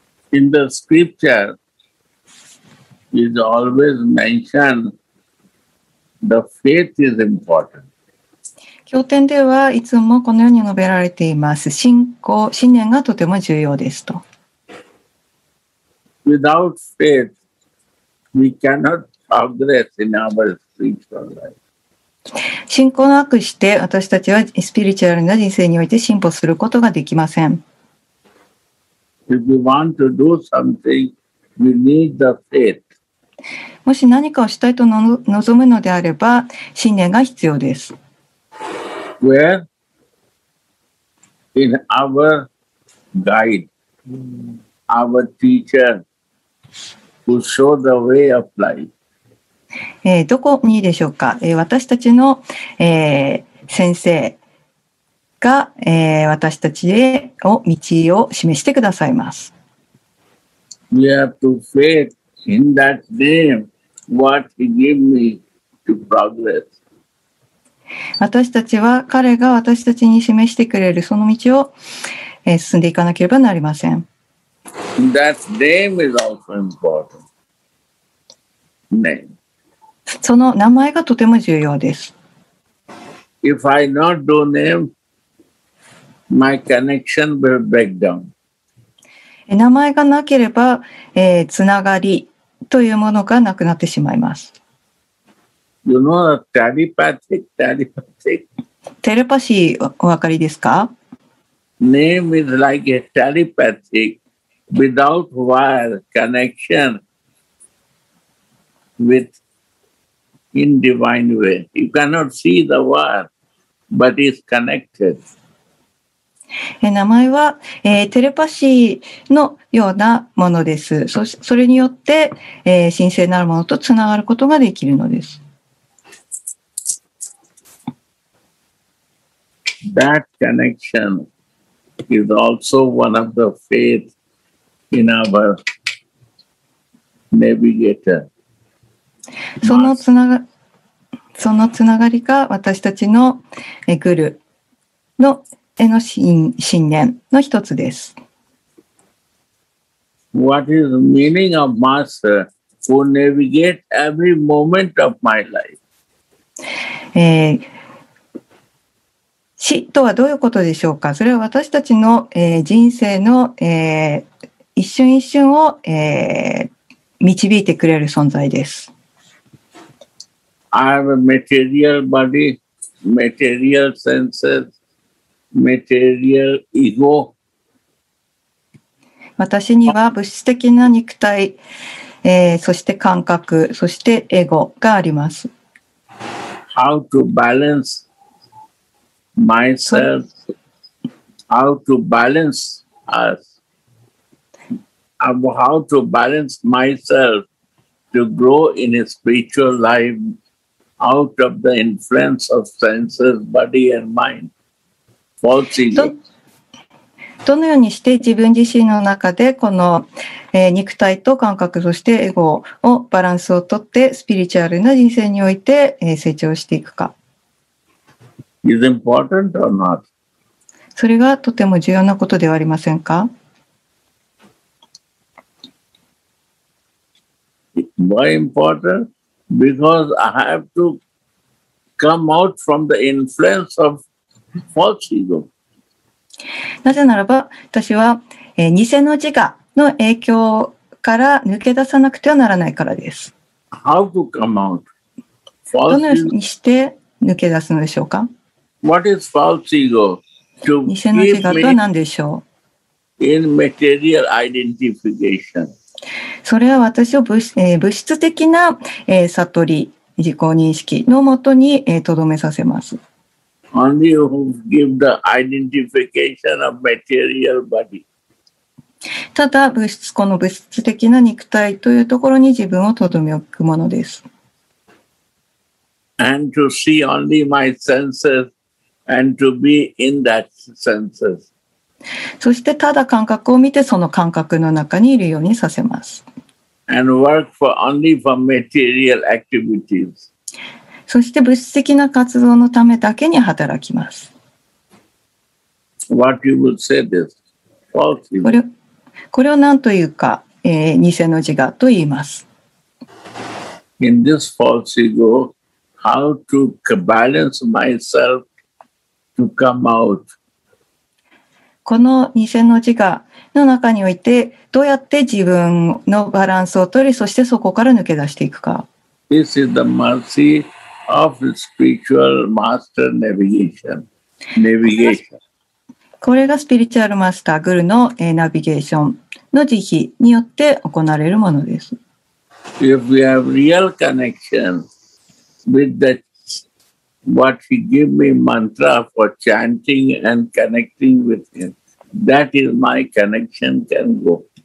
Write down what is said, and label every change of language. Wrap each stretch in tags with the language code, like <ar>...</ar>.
<en>In the scripture, is always mentioned. The faith is important.</en> <ja>経典ではいつもこのように述べられています。信仰、信念がとても重要ですと。</ja> <en>Without faith, we cannot progress in our spiritual life.</en> <ja>信仰なくして私たちはスピリチュアルな人生において進歩することができません。</ja> <en>If we want to do something, we need the faith.</en> <ja>もし何かをしたいと望むのであれば、信念が必要です。</ja> <en>Where? In our guide, our teacher, who show the way of life.</en> <ja>どこにでしょうか。私たちの、先生が、私たちへの道を示してくださいます。</ja> <en>We have to faith in that name. What he gave me to progress.</en> <ja>私たちは彼が私たちに示してくれるその道を、進んでいかなければなりません。</ja> <en>That name is also important. Name.</en> <ja>その名前がとても重要です。</ja> <en>If I not do name, my connection will break down.</en> <ja>名前がなければ、つながりというものがなくなってしまいます。</ja> <en>You know telepathic, telepathic.</en> <ja>テレパシーお分かりですか？</ja> <en>Name is like a telepathic without wire connection with in divine way. You cannot see the wire, but it's connected.</en> <ja>名前は、テレパシーのようなものです。それによって、神聖なるものとつながることができるのです。</ja> <en>That connection is also one of the faith in our navigator.</en> <ja>そのつながりが私たちのグルのへの信念の一つです。</ja> <en>What is the meaning of master who navigate every moment of my life?</en> <ja>死とはどういうことでしょうか。それは私たちの、人生の、一瞬一瞬を、導いてくれる存在です。</ja> <en>I have a material body, material senses. Material ego.</en> <ja>私には物質的な肉体、そして感覚、そしてエゴがあります。</ja> <en>How to balance myself? How to balance us? How to balance myself to grow in a spiritual life out of the influence of senses, body and mind</en> <ja>どのようにして自分自身の中でこの、肉体と感覚そしてエゴをバランスをとってスピリチュアルな人生において、成長していくか。</ja> <en>Is important or not?</en> <ja>それがとても重要なことではありませんか。</ja> <en>Why important? Because I have to come out from the influence of</en> <ja>なぜならば私は、偽の自我の影響から抜け出さなくてはならないからです。</ja> <en>How to come out?</en> <ja>どのようにして抜け出すのでしょうか。</ja> <en>What is false ego?</en> <ja>To 偽の自我とは何でしょう。</ja> <en>In material identification.</en> <ja>それは私を 物質的な、悟り自己認識のもとにとど、めさせます。</ja> <en>Only who give the identification of material body.</en> <ja>ただ物質、この物質的な肉体というところに自分をとどめ置くものです。</ja> <en>And to see only my senses and to be in that senses.</en> <ja>そしてただ感覚を見てその感覚の中にいるようにさせます。</ja> <en>And work for only for material activities.</en> <ja>そして物質的な活動のためだけに働きます。</ja> <en>What you would say this? False ego.</en> <ja>これを何というか、偽の自我と言います。</ja> <en>In this false ego, how to balance myself to come out?</en> <ja>この偽の自我の中において、どうやって自分のバランスを取り、そしてそこから抜け出していくか。</ja> <en>This is the mercy. Of spiritual master navigation. Navigation.</en> <ja>これがスピリチュアルマスターグルのナビゲーションの慈悲によって行われるものです。</ja> <en>If we have real connection with that, what he gave me mantra for chanting and connecting with him, that is my connection can go.</en>